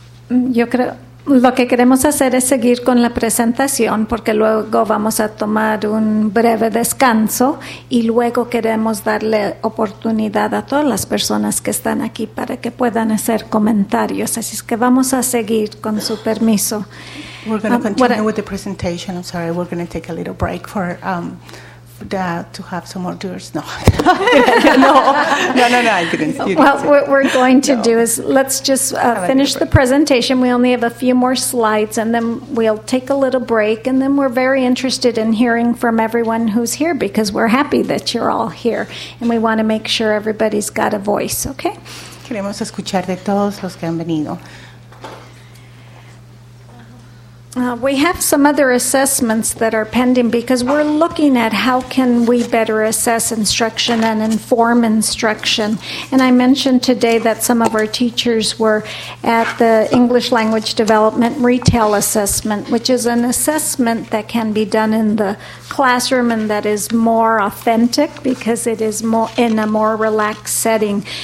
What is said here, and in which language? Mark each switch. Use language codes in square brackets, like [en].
[es] Yo creo, lo que queremos hacer es seguir con la presentación porque luego vamos a tomar un breve descanso y luego queremos darle oportunidad a todas las personas que están aquí para que puedan hacer comentarios. Así es que vamos a seguir con su permiso. [en] We're going to continue with the presentation. I'm sorry, we're going to take a little break for to have some more doers. No, I didn't. What we're going to do is let's just finish the presentation. We only have a few more slides, and then we'll take a little break, and then we're very interested in hearing from everyone who's here because we're happy that you're all here, and we want to make sure everybody's got a voice, okay? [es] Queremos escuchar de todos los que han venido. [en] We have some other assessments that are pending because we're looking at how can we better assess instruction and inform instruction. And I mentioned today that some of our teachers were at the English Language Development Retail Assessment, which is an assessment that can be done in the classroom and that is more authentic because it is more in a more relaxed setting.